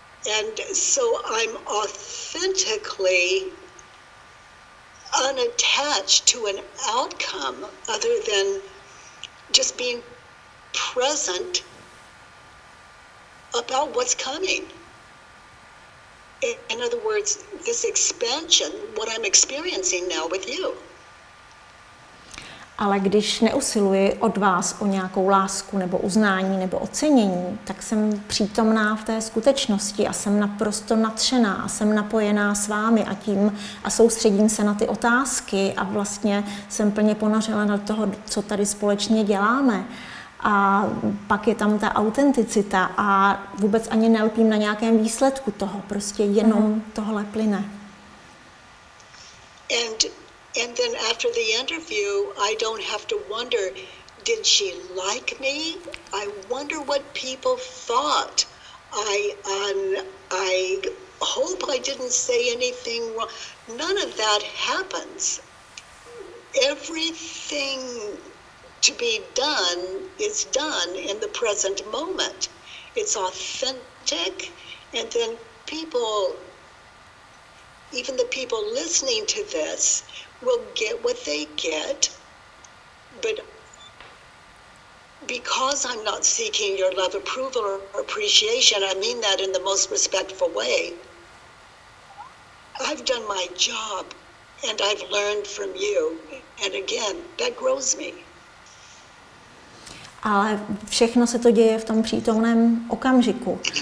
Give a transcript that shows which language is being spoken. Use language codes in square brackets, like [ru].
[en] And so I'm authentically unattached to an outcome other than just being present about what's coming. In other words, this expansion, what I'm experiencing now with you. [cs] Ale když neusiluji od vás o nějakou lásku nebo uznání nebo ocenění, tak jsem přítomná v té skutečnosti a jsem naprosto nadšená a jsem napojená s vámi a tím a soustředím se na ty otázky a vlastně jsem plně ponořena do toho, co tady společně děláme. A pak je tam ta autenticita a vůbec ani nelpím na nějakém výsledku toho, prostě jenom tohle plyne. [en] And then after the interview, I don't have to wonder, did she like me? I wonder what people thought. I hope I didn't say anything wrong. None of that happens. Everything to be done is done in the present moment. It's authentic, and then people, even the people listening to this, will get what they get. But because I'm not seeking your love, approval, or appreciation, I mean that in the most respectful way, I've done my job, and I've learned from you. And again, that grows me. [cs] Ale všechno se to děje v tom přítomném okamžiku.